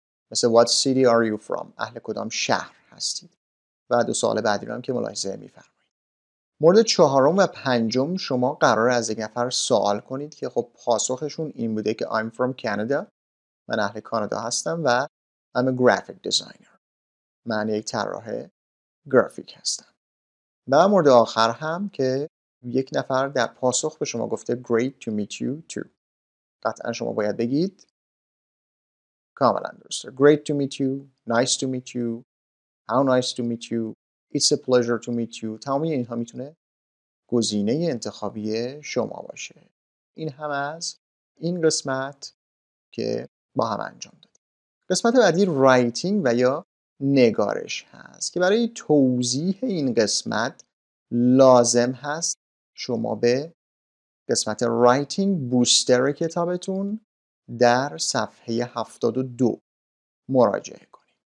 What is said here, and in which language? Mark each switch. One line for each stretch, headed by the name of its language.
Persian: مثل
English: What city are you from؟
Persian: اهل کدام شهر هستید؟ و دو سوال بعدی رو هم که ملاحظه میفرم. مورد چهارم و پنجم شما قرار از یک نفر سوال کنید که خب پاسخشون این بوده که
English: I'm from Canada،
Persian: من اهل کانادا هستم و
English: I'm a graphic designer،
Persian: من یک طراح گرافیک هستم. و مورد آخر هم که یک نفر در پاسخ به شما گفته
English: Great to meet you too،
Persian: قطعا شما باید بگید کاملا درسته،
English: Great to meet you، Nice to meet you، How nice to meet you، It's a pleasure to meet you.
Persian: تمامی اینها میتونه گزینه انتخابی شما باشه. این هم از این قسمت که با هم انجام دادیم. قسمت بعدی رایتینگ و یا نگارش هست که برای توضیح این قسمت لازم هست شما به قسمت رایتینگ بوستر کتابتون در صفحه 72 مراجعه کنید.